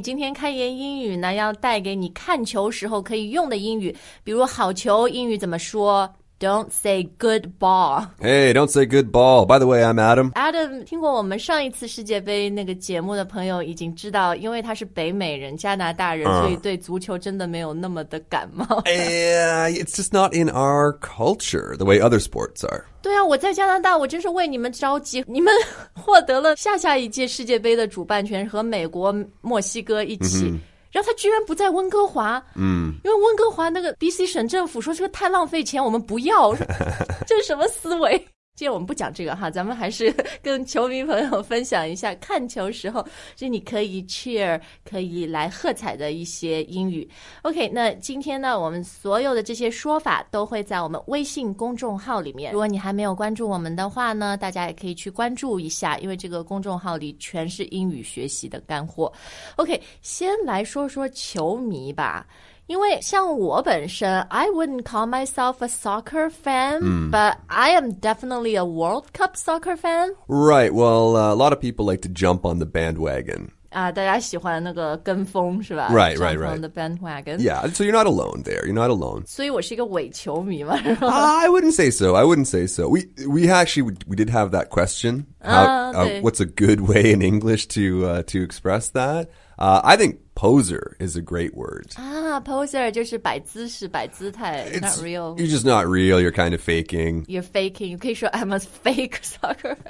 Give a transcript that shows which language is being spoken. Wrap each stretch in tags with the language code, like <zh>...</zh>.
<zh>今天开言英语呢，要带给你看球时候可以用的英语，比如好球英语怎么说？</zh> <en>Don't say good ball. Hey, don't say good ball. By the way, I'm Adam.</en> <zh>Adam, 听过我们上一次世界杯那个节目的朋友已经知道，因为他是北美人，加拿大人，所以对足球真的没有那么的感冒。</zh> <en>Yeah, it's just not in our culture, the way other sports are.</en> <zh>对啊，我在加拿大，我真是为你们着急。你们获得了下下一届世界杯的主办权，和美国、墨西哥一起。 Mm-hmm. 然后他居然不在温哥华，嗯，因为温哥华那个 BC 省政府说这个太浪费钱，我们不要，这是什么思维？今天我们不讲这个哈，咱们还是跟球迷朋友分享一下看球时候，就你可以 cheer, 可以来喝彩的一些英语。 OK, 那今天呢，我们所有的这些说法都会在我们微信公众号里面。如果你还没有关注我们的话呢，大家也可以去关注一下，因为这个公众号里全是英语学习的干货。 OK, 先来说说球迷吧。因为像我本身</zh> <en>I wouldn't call myself a soccer fan、 mm. But I am definitely a World Cup soccer fan. Right, well, a lot of people like to jump on the bandwagon. 大家喜欢那个跟风是吧 Right, right, right. On the bandwagon. Yeah, so you're not alone there. You're not alone.</en> <zh>所以我是一个伪球迷吗</zh> <en>I wouldn't say so. I wouldn't say so. We did have that question. What's a good way in English to express that? I think poser is a great word.</en> <zh>Poser 就是摆姿势摆姿态</zh> <en>It's not real. You're just not real. You're kind of faking. You're faking. You</en> <zh>可以说</zh> <en>I'm a fake soccer fan.</en>